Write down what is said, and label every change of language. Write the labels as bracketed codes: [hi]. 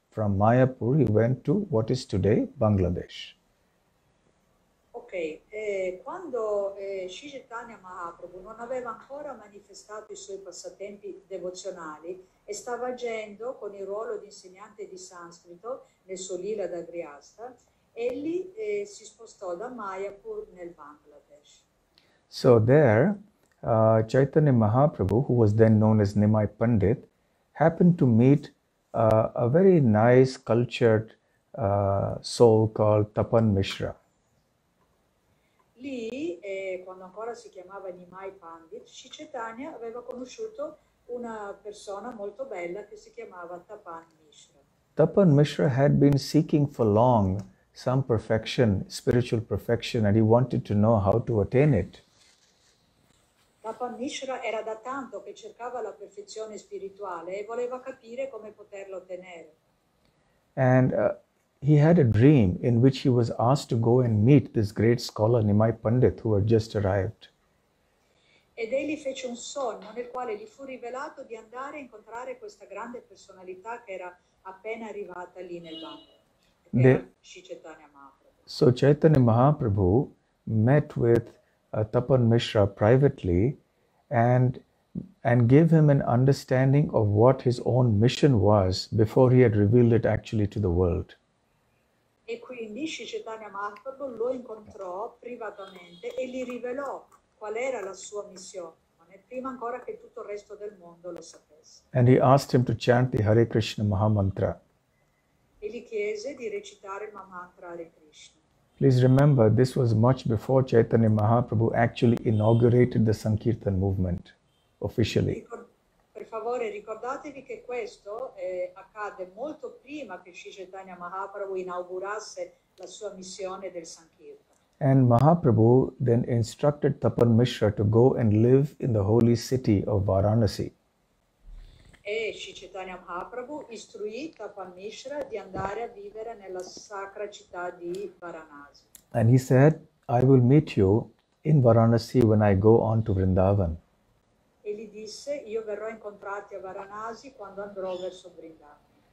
[en] From Mayapur, he went to what is today Bangladesh. [it] Okay, quando Sri Chaitanya Mahaprabhu non aveva ancora manifestato i suoi passatempi devozionali e stava agendo con il ruolo di insegnante di sanscrito nel suo Leela da Grihastha, egli si spostò da Mayapur nel Bangladesh. [en] So there, Chaitanya Mahaprabhu, who was then known as Nimai Pandit, happened to meet a very nice cultured soul called Tapan Mishra. [it] Lì, quando ancora si chiamava Nimai Pandit, Sri Chaitanya aveva conosciuto una persona molto bella che si chiamava Tapan Mishra. [en] Tapan Mishra had been seeking for long some perfection, spiritual perfection, and he wanted to know how to attain it. [it] Tapan Mishra era da tanto che cercava la perfezione spirituale e voleva capire come poterlo ottenere. [en] And he had a dream in which he was asked to go and meet this great scholar Nimai Pandit who had just arrived. [it] Ed egli fece un sogno nel quale gli fu rivelato di andare a incontrare questa grande personalità che era appena arrivata lì nel Bangladesh. [en] So Chaitanya Mahaprabhu met with Tapan Mishra privately and gave him an understanding of what his own mission was before he had revealed it actually to the world. [it] E quindi Sri Chaitanya Mahaprabhu lo incontrò privatamente e gli rivelò qual era la sua missione prima ancora che tutto il resto del mondo lo sapesse. [en] And he asked him to chant the Hare Krishna Mahamantra. [it] E gli chiese di recitare il Mahamantra Hare Krishna. [en] Please remember, this was much before Chaitanya Mahaprabhu actually inaugurated the Sankirtan movement officially. [it] Per favore, ricordatevi che questo accadde molto prima che Sri Chaitanya Mahaprabhu inaugurasse la sua missione del Sankirtan. [en] And Mahaprabhu then instructed Tapan Mishra to go and live in the holy city of Varanasi. [it] E Sri Chaitanya Mahaprabhu istruì Tapan Mishra di andare a vivere nella sacra città di Varanasi. [en] And he said, I will meet you in Varanasi when I go on to Vrindavan. [it] E gli disse, io verrò a incontrarti a Varanasi quando andrò verso Vrindavan.